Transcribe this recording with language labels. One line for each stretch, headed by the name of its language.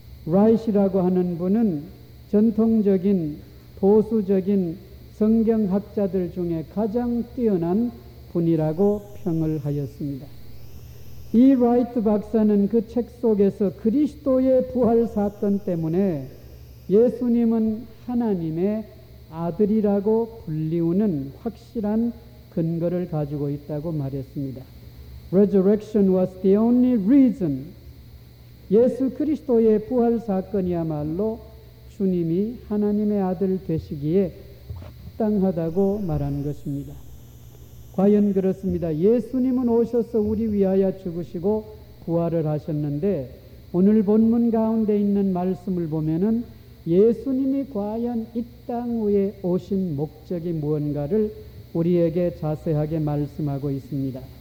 Korean: 라이시라고 하는 분은 전통적인 보수적인 성경학자들 중에 가장 뛰어난 분이라고 평을 하였습니다. 이 라이트 박사는 그 책 속에서 그리스도의 부활 사건 때문에 예수님은 하나님의 아들이라고 불리우는 확실한 근거를 가지고 있다고 말했습니다.
English: Resurrection was the only reason.
Korean: 예수 그리스도의 부활 사건이야말로 주님이 하나님의 아들 되시기에 합당하다고 말한 것입니다. 과연 그렇습니다. 예수님은 오셔서 우리 위하여 죽으시고 부활을 하셨는데 오늘 본문 가운데 있는 말씀을 보면은 예수님이 과연 이 땅 위에 오신 목적이 무언가를 우리에게 자세하게 말씀하고 있습니다.